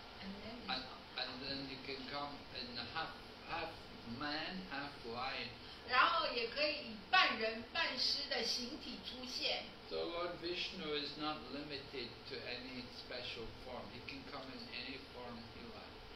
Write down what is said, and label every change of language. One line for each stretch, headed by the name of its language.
English: and then you can come in a half man, half lion.
Chinese: 然后也可以以半人半狮的形体出现.
English: So Lord Vishnu is not limited to any special form. He can come in any form he likes.